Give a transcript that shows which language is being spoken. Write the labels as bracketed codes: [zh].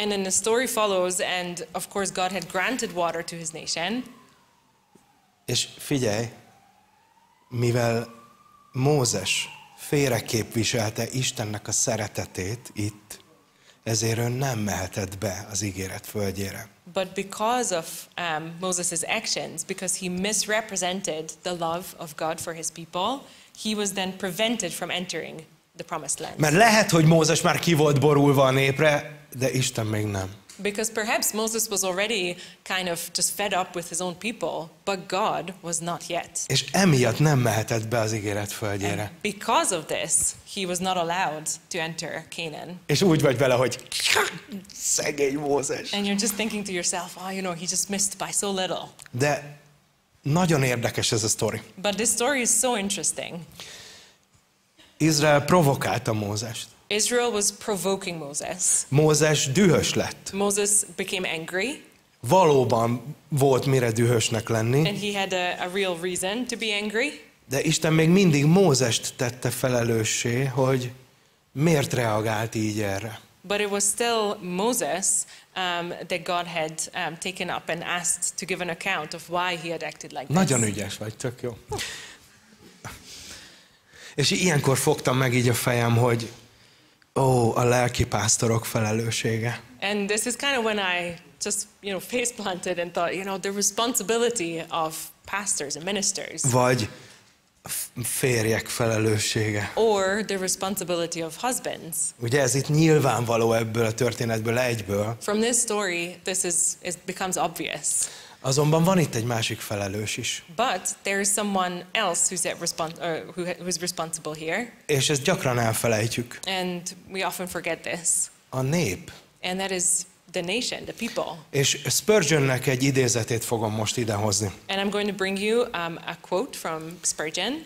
[en] And then the story follows and of course God had granted water to his nation. [hu] És figyelj, mivel Mózes félreképviselte Istennek a szeretetét itt, ezért ő nem mehetett be az ígéret földjére. [en] But because of Moses' actions, because he misrepresented the love of God for his people, he was then prevented from entering the promised land. [hu] Mert lehet, hogy Mózes már ki volt borulva a népre, de Isten még nem. [en] Because perhaps Moses was already kind of just fed up with his own people, but God was not yet. [hu] És emiatt nem mehetett be az ígéret földjére. [en] And because of this, he was not allowed to enter Canaan. [hu] És úgy vagy vele, hogy szegény Mózes. [en] And you're just thinking to yourself, oh, you know, he just missed by so little. [hu] De nagyon érdekes ez a story. [en] But this story is so interesting. [hu] Izrael provokálta Mózest. [en] Israel was provoking Moses. [hu] Mózes dühös lett. [en] Moses became angry. [hu] Valóban volt mire dühösnek lenni. [en] And he had a real reason to be angry. [hu] De Isten még mindig Mózest tette felelőssé, hogy miért reagált így erre. [en] But it was still Moses that God had taken up and asked to give an account of why he had acted like this. [hu] Nagyon ügyes vagy, tök jó. És ilyenkor fogtam meg így a fejem, hogy a lelki pásztorok felelőssége. [en] And this is kind of when I just, you know, face planted and thought, you know, the responsibility of pastors and ministers. [hu] Vagy férjek felelőssége. [en] Or the responsibility of husbands. [hu] Ugye ez itt nyilvánvaló ebből a történetből egyből. [en] From this story, it becomes obvious. [hu] Azonban van itt egy másik felelős is. [en] But there is someone else who's responsible here. [hu] És ezt gyakran elfelejtjük. [en] And we often forget this. [hu] A nép. [en] And that is the nation, the people. [hu] És Spurgeonnek egy idézetét fogom most idehozni. [en] And I'm going to bring you a quote from Spurgeon.